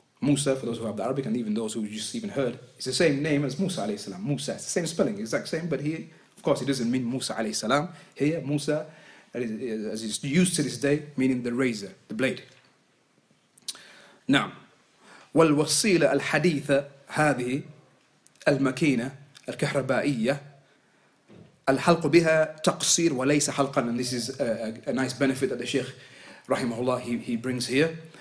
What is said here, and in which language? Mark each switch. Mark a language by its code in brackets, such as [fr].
[en] Musa, for those who have the Arabic, and even those who just even heard, it's the same name as Musa alayhi salam. Musa, it's the same spelling, exact same, but here, of course, it doesn't mean Musa alayhi salam. Here, Musa, as it's used to this day, meaning the razor, the blade. [ar] Now, والوصيلة الحديثة هذه المكينة الكهربائية الحلق بها تقصير وليس حلقا. [en] And this is a nice benefit that the Sheikh rahimahullah he brings here.